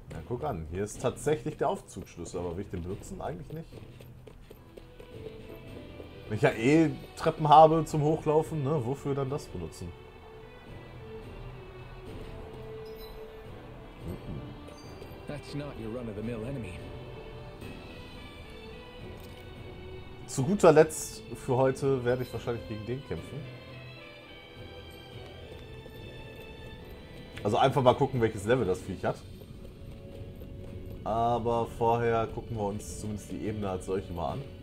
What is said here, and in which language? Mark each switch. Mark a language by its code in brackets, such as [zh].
[de] Guck an, hier ist tatsächlich der Aufzugsschlüssel, aber will ich den benutzen? Eigentlich nicht. Wenn ich ja eh Treppen habe zum Hochlaufen, ne, wofür dann das benutzen? [en] That's not your run-of-the-mill enemy. [de] Zu guter Letzt für heute werde ich wahrscheinlich gegen den kämpfen. Also einfach mal gucken, welches Level das Viech hat. Aber vorher gucken wir uns zumindest die Ebene als solche mal an.